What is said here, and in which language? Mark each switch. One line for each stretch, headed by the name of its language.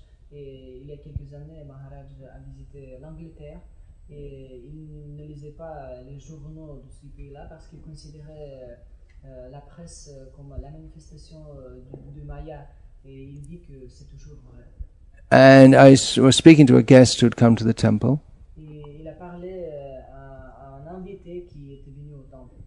French: Et il y a quelques années, Maharaj a visité l'Angleterre et il ne lisait pas les journaux de ce pays-là parce qu'il considérait la presse comme la manifestation du Maya et il dit que c'est toujours vrai.
English: And I was speaking to a guest who had come to the temple.
French: Et il a parlé à un invité qui était venu au temple.